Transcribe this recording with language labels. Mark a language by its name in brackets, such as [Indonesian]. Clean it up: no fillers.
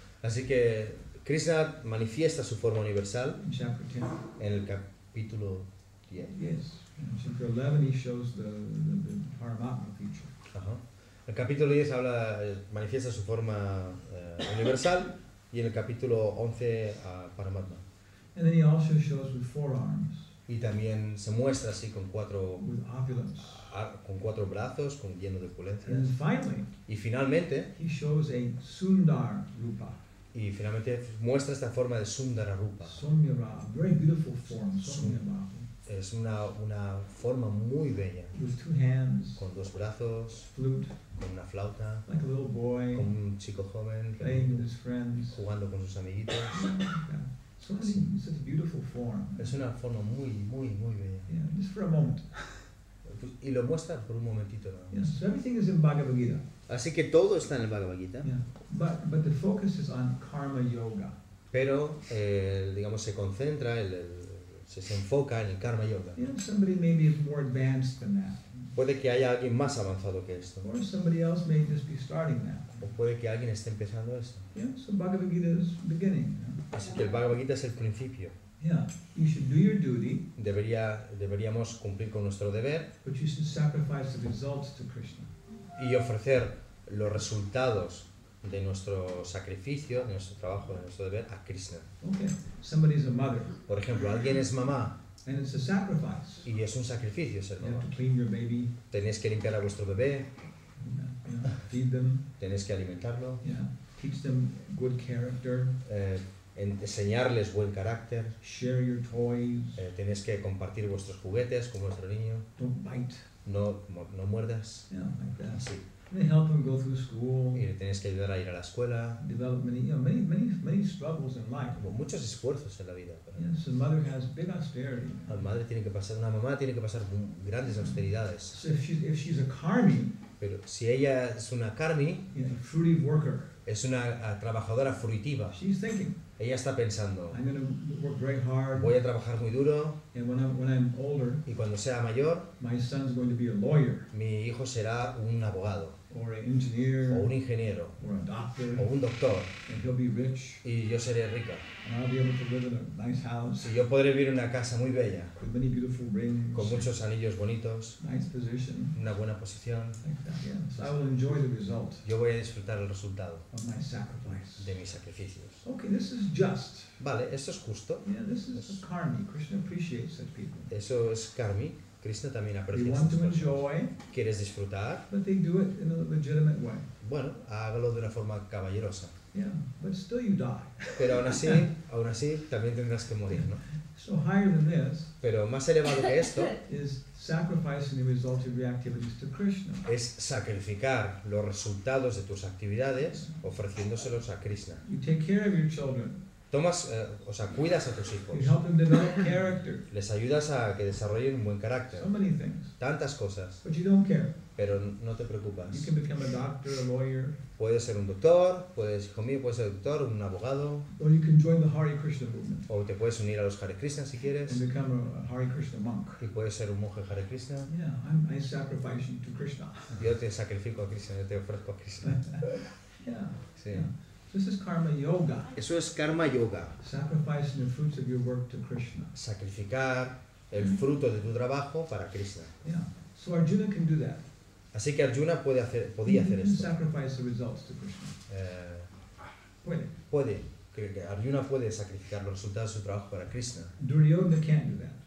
[Spanish] Así que Krishna manifiesta su forma universal [English] in chapter 10. [Spanish] En el capítulo 10. [English] Yes. In chapter 11 he shows the Paramatma feature. [Spanish] El capítulo 10 habla, manifiesta su forma universal y en el capítulo 11 Paramatma. [English] And then he also shows with four arms. [Spanish] Y también se muestra así con cuatro [English] opulence, [Spanish] con cuatro brazos con lleno de opulencia. [English] And finally, [Spanish] y finalmente [English] he shows a Sundar Rupa. [Spanish] Y finalmente muestra esta forma de Sundara Rupa. [English] Somyara, very beautiful form, Somyara. [Spanish] Es una forma muy bella. [English] With two hands, [Spanish] con dos brazos, [English] flute, [Spanish] con una flauta, [English] like a little boy, [Spanish] con un chico joven [English] playing with his friends, [Spanish] jugando con sus amiguitos. [English] Yeah. So it's such a beautiful form. [Spanish] Es una forma muy, muy, muy bella. [English] Yeah, just for a moment. [Spanish] Y lo muestra por un momentito. ¿No? [English] Yeah, so everything is in Bhagavad Gita. [Spanish] Así que todo está en el Bhagavad Gita. [English] Yeah. But the focus is on karma yoga. [Spanish] Pero, digamos, se concentra, se enfoca en el karma yoga. [English] Yeah, somebody may be more advanced than that. [Spanish] Puede que haya alguien más avanzado que esto. [English] Or somebody else may just be starting that. [Spanish] O puede que alguien esté empezando esto. [English] Yeah, so Bhagavad Gita is beginning. Yeah. [Spanish] Así que el Bhagavad Gita es el principio. [English] Yeah, you should do your duty. [Spanish] Deberíamos cumplir con nuestro deber. [English] But you should sacrifice the results to Krishna. [Spanish] Y ofrecer los resultados de nuestro sacrificio, de nuestro trabajo, de nuestro deber a Krishna. [English] Okay, somebody is a mother. [Spanish] Por ejemplo, alguien es mamá. [English] And it's a sacrifice. [Spanish] Y es un sacrificio ser mamá. [English] You have to clean your baby. [Spanish] Tenéis que limpiar a vuestro bebé. [English] Feed them. [Spanish] Tenéis que alimentarlo. [English] Yeah. Teach them good character. [Spanish] Enseñarles buen carácter. [English] Share your toys. [Spanish] Tenéis que compartir vuestros juguetes con vuestro niño. [English] Don't bite. [Spanish] No muerdas. [English] Yeah, like that. [Spanish] Sí. [English] They help them go through school. [Spanish] Y le tenéis que ayudar a ir a la escuela. [English] Develop many, you know, many, many, many struggles in life. [Spanish] Como muchos esfuerzos en la vida. [English] Yes, the mother has big austerity. [Spanish] Una mamá tiene que pasar grandes austeridades. [English] So if she's a karmi. [Spanish] Pero si ella es una karmi, es una trabajadora fruitiva. [English] She's thinking, [Spanish] ella está pensando, [English] I'm gonna work very hard, [Spanish] voy a trabajar muy duro, [English] and when I'm older, [Spanish] y cuando sea mayor, [English] my son's going to be a lawyer, [Spanish] mi hijo será un abogado, [English] or an engineer, [Spanish] o un ingeniero, [English] or a doctor, [Spanish] o un doctor, [English] and he'll be rich, [Spanish] y yo seré rica. [English] And I'll be able to live in a nice house, [Spanish] y yo podré vivir en una casa muy bella, [English] with many beautiful rings, [Spanish] con muchos anillos bonitos, [English] nice position, [Spanish] una buena posición. [English] Like that, yeah. So I will enjoy the result, [Spanish] yo voy a disfrutar el resultado [English] of my sacrifice, [Spanish] de mis sacrificios. [English] Okay, this is just. [Spanish] Vale, esto es justo. [English] Yeah, this is karmi. Krishna appreciates such people. [Spanish] Eso es karmi. Krishna también aprecia estas cosas. [English] Enjoy, [Spanish] quieres disfrutar. [English] But they do it in a legitimate way. [Spanish] Bueno, hágalo de una forma caballerosa. [English] Yeah, but still you die. [Spanish] Pero aún así, también tendrás que morir, ¿no? [English] So higher than this, [Spanish] pero más elevado que esto [English] is sacrificing the results of your activities to Krishna. [Spanish] Es sacrificar los resultados de tus actividades ofreciéndoselos a Krishna. [English] You take care of your children. [Spanish] Tomas, o sea, cuidas a tus hijos. [English] You help them develop character. [Spanish] Les ayudas a que desarrollen un buen carácter. [English] So many things. [Spanish] Tantas cosas. [English] But you don't care. [Spanish] Pero no te preocupas. [English] You can become a doctor, a lawyer. [Spanish] Puedes ser un doctor, puedes, hijo mío, puedes ser doctor, un abogado. [English] Or you can join the Hare Krishna movement. [Spanish] O te puedes unir a los Hare Krishna si quieres. [English] And become a Hare Krishna monk. [Spanish] Y puedes ser un monje Hare Krishna. [English] Yeah, I sacrifice you to Krishna. [Spanish] Yo te sacrifico a Krishna, yo te ofrezco a Krishna. [English] Yeah. [Spanish] Sí. [English] Yeah. This is karma yoga. [Spanish] Eso es karma yoga. [English] Sacrificing the fruits of your work to Krishna. [Spanish] Sacrificar el fruto de tu trabajo para Krishna. [English] Yeah. So Arjuna can do that. [Spanish] Así que Arjuna puede hacer, podía hacer esto. [English] Sacrifice the results to Krishna. [Spanish] Puede. Arjuna puede sacrificar los resultados de su trabajo para Krishna. [English] Duryodhana can't do that.